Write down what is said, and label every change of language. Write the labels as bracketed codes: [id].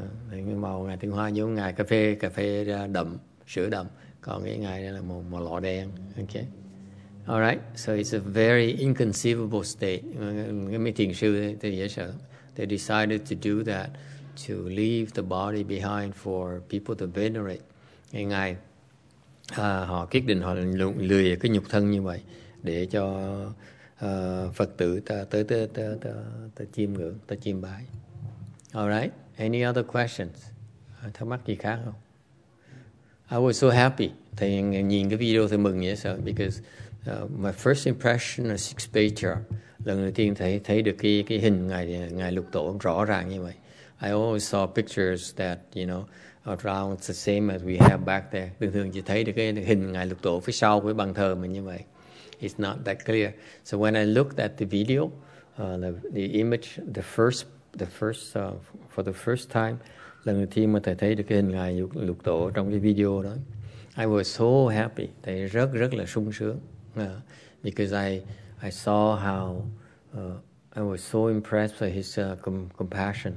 [vi] Cái màu ngài Tiên Hoa giống ngài cà phê đậm, sữa đậm, còn cái ngài là màu lọ đen. [en] Okay. All right, so it's a very inconceivable state. They decided to do that, to leave the body behind for people to venerate. [vi] Ngài, họ quyết định họ lười cái nhục thân như vậy để cho Phật tử ta tới chiêm ngưỡng, ta chiêm bái. [en] All right, any other questions? [vi] Thắc mắc gì khác không? [en] I was so happy. [vi] Thầy nhìn cái video thầy mừng vậy sợ, [en] because my first impression of six patriarch, [vi] lần đầu tiên thấy được cái hình ngài Lục Tổ rõ ràng như vậy. [en] I always saw pictures that, you know, around the same as we have back there. [vi] Thường thường chỉ thấy được cái hình ngài Lục Tổ phía sau cái bàn thờ mình như vậy. [en] It's not that clear. So when I looked at the video, the image, for the first time, [vi] lần đầu tiên mà thầy thấy được cái hình ngài Lục Tổ trong cái video đó, [en] I was so happy. [vi] Thầy rất rất là sung sướng. [en] Because I saw how I was so impressed by his compassion.